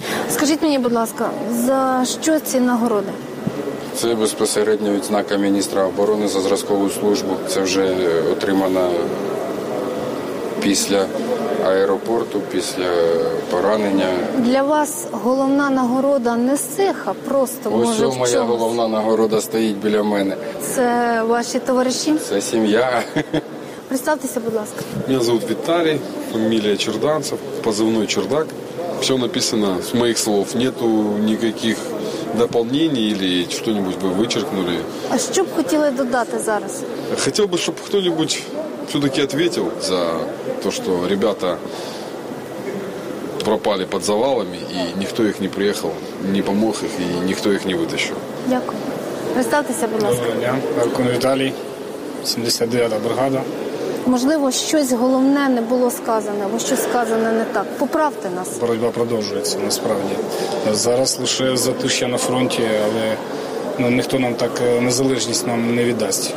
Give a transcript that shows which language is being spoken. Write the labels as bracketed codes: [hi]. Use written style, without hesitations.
[uk] Скажіть мені, будь ласка, за що ці нагороди? Це безпосередньо відзнака міністра оборони за зразкову службу. Це вже отримана після аеропорту, після поранення. Для вас головна нагорода не цеха, просто ось може в моя головна нагорода стоїть біля мене. Це ваші товариші? Це сім'я. Представтеся, будь ласка. Мене звуть Віталій, фамілія Черданцев, позивний Чердак. [ru] Все написано, [uk] з моїх [ru] слов, нету [uk] ніяких доповнений [ru] или что-нибудь бы вычеркнули. А что бы хотели [uk] додати зараз? [ru] Хотел бы, чтобы кто-нибудь все-таки ответил за то, что ребята пропали под завалами, и никто их не приехал, не помог их, и никто их не вытащил. [uk] Дякую. Представьтеся, будь ласка. Доброго дня. Аркун Віталій, 79-та бригада. Можливо, щось головне не було сказане, або щось сказане не так. Поправте нас. Боротьба продовжується, насправді. Зараз лише затишшя на фронті, але ніхто нам так незалежність нам не віддасть.